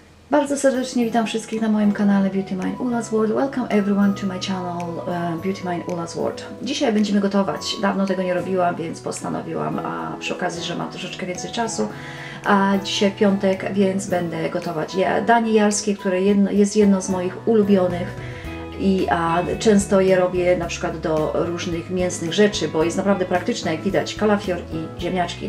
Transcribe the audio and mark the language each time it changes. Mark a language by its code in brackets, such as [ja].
[pl] Bardzo serdecznie witam wszystkich na moim kanale Beauty Mind Ula's World. [en] Welcome everyone to my channel Beauty Mind Ula's World. [pl] Dzisiaj będziemy gotować. Dawno tego nie robiłam, więc postanowiłam, a przy okazji, że mam troszeczkę więcej czasu. A dzisiaj piątek, więc będę gotować danie jarskie, które jest jedno z moich ulubionych. I często je robię na przykład do różnych mięsnych rzeczy, bo jest naprawdę praktyczne, jak widać, kalafior i ziemniaczki.